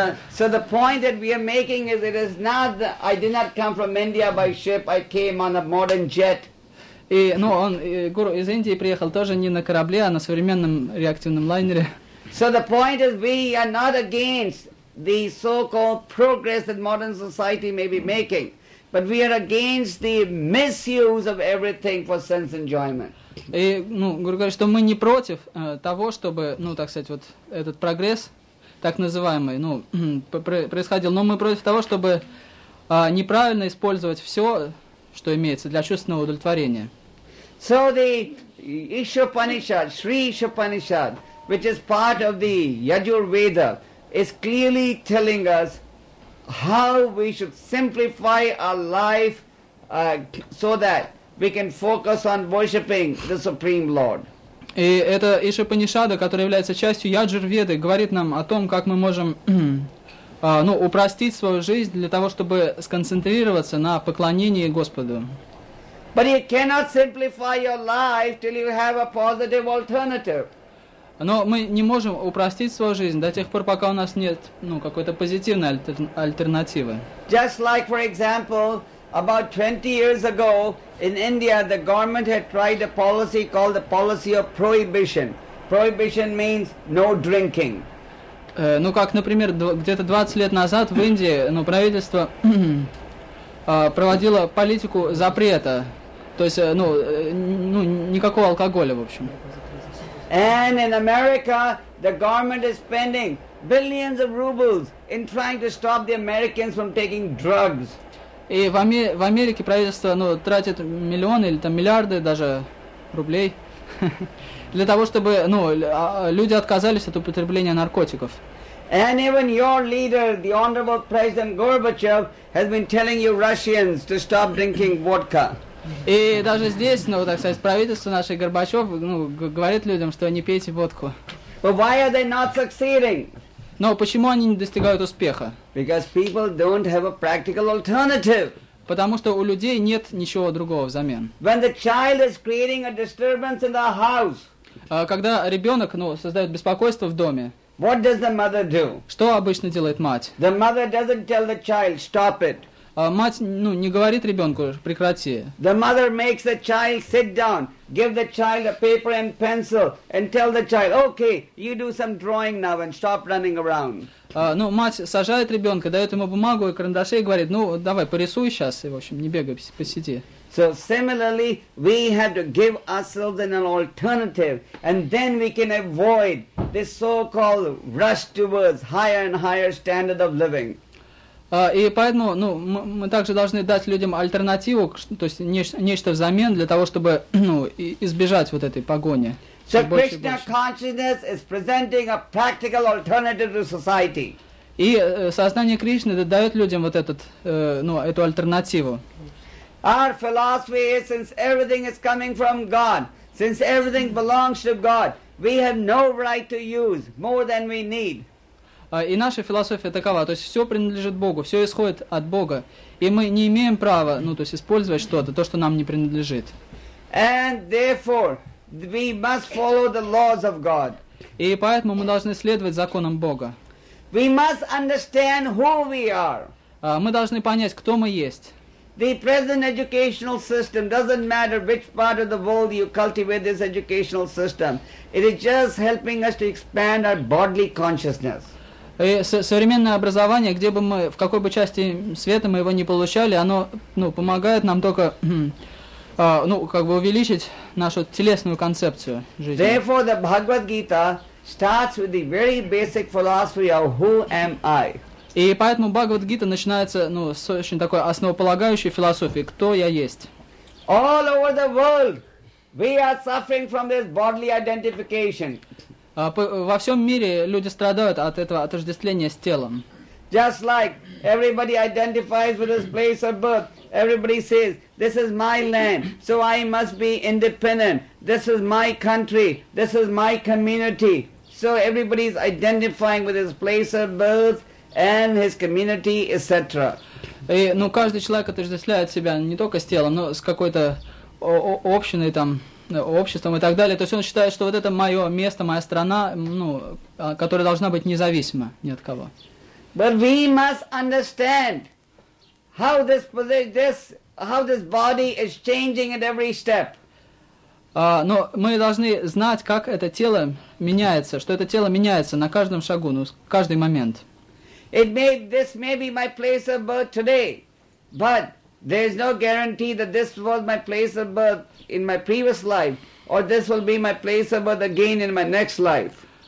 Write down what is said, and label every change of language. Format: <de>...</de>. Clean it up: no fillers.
<en>So the point that we are making is it is not that I did not come from India by ship, I came on a modern jet.</en> <ru>И, ну, он, Гуру из Индии приехал тоже не на корабле, а на современном реактивном лайнере.</ru> <en>So the point is we are not against the so-called progress that modern society may be making, but we are against the misuse of everything for sense enjoyment.</en> <ru>И, ну, Гуру говорит, что мы не против того, чтобы, ну, так сказать, вот этот прогресс так называемый, ну, происходил. Но мы против того, чтобы неправильно использовать все, что имеется, для чувственного удовлетворения.</ru> <en>So the Ishopanishad, Sri Ishopanishad, which is part of the Yajurveda, is clearly telling us how we should simplify our life so that we can focus on worshipping the Supreme Lord.</en> <ru>И это Ишопанишада, которая является частью Яджурведы, говорит нам о том, как мы можем ну, упростить свою жизнь для того, чтобы сконцентрироваться на поклонении Господу.</ru> <en>But you cannot simplify your life till you have a positive alternative.</en> <ru>Но мы не можем упростить свою жизнь до тех пор, пока у нас нет ну, какой-то позитивной альтернативы.</ru> <en>Just like, for example, about 20 years ago in India, the government had tried a policy called the policy of prohibition. Prohibition means no drinking.</en> <ru>Ну, как, например, где-то 20 лет назад в Индии, ну, правительство проводило политику запрета. То есть, ну, ну, никакого алкоголя, в общем.</ru> <en>And in America, the government is spending billions of rubles in trying to stop the Americans from taking drugs.</en> <ru>И в Америке правительство, ну, тратит миллионы или там миллиарды даже рублей для того, чтобы, ну, люди отказались от употребления наркотиков.</ru> <en>And even your leader, the honorable president Gorbachev, has been telling you Russians to stop drinking vodka.</en> <ru>И даже здесь, ну, так сказать, правительство наше Горбачев, ну, говорит людям, что не пейте водку.</ru> <en>But why are they not succeeding?</en> <ru>Но почему они не достигают успеха?</ru> <en>Because people don't have a practical alternative.</en> <ru>Потому что у людей нет ничего другого взамен.</ru> <en>When the child is creating a disturbance in the house.</en> <ru>Когда ребенок, ну, создает беспокойство в доме.</ru> <en>What does the mother do?</en> <ru>Что обычно делает мать?</ru> <en>The mother doesn't tell the child, stop it.</en> <ru>Мать, ну, не говорит ребенку, прекрати.</ru> <en>The mother makes the child sit down, give the child a paper and pencil, and tell the child, okay, you do some drawing now and stop running around.</en> <ru>Ну, мать сажает ребенка, дает ему бумагу и карандаши и говорит, ну, давай, порисуй сейчас, и, в общем, не бегай, посиди.</ru> <en>So similarly, we have to give ourselves an alternative, and then we can avoid this so-called rush towards higher and higher standard of living.</en> <ru>И поэтому, ну, мы также должны дать людям альтернативу, то есть нечто взамен для того, чтобы, ну, избежать вот этой погони.</ru> <en>So Krishna consciousness is presenting a practical alternative to society.</en> <ru>И сознание Кришны дает людям вот этот, ну, эту альтернативу.</ru> <en>Our philosophy is, since everything is coming from God, since everything belongs to God, we have no right to use more than we need.</en> <ru>И наша философия такова, то есть все принадлежит Богу, все исходит от Бога, и мы не имеем права, ну, то есть использовать что-то, то, что нам не принадлежит.</ru> <en>And therefore, we must follow the laws of God.</en> <ru>И поэтому мы должны следовать законам Бога.</ru> <en>We must understand who we are.</en> <ru>Мы должны понять, кто мы есть.</ru> <en>The present educational system doesn't matter which part of the world you cultivate this educational system. It is just helping us to expand our bodily consciousness.</en> <ru>И современное образование, где бы мы, в какой бы части света мы его не получали, оно, ну, помогает нам только, ну, как бы увеличить нашу телесную концепцию жизни.</ru> <en>Therefore, the Bhagavad Gita starts with the very basic philosophy of who am I.</en> <ru>И поэтому Бхагавад-гита начинается, ну, с очень такой основополагающей философии, кто я есть.</ru> <en>All over the world we are suffering from this bodily identification.</en> <ru>Во всем мире люди страдают от этого отождествления с телом.</ru> <en>Just like everybody identifies with his place of birth. Everybody says, this is my land, so I must be independent. This is my country, this is my community. So everybody is identifying with his place of birth and his community, etc.</en> <ru>И, ну, каждый человек отождествляет себя не только с телом, но с какой-то общиной там, обществом и так далее. То есть он считает, что вот это мое место, моя страна, ну, которая должна быть независима ни от кого.</ru> <en>But we must understand how this body is changing at every step.</en> <ru>Но мы должны знать, как это тело меняется, что это тело меняется на каждом шагу, ну, каждый момент.</ru> <en>This may be my place of birth today, but there is no guarantee that this was my place of birth in my previous life, or this will be my place of birth again in my next life.</en>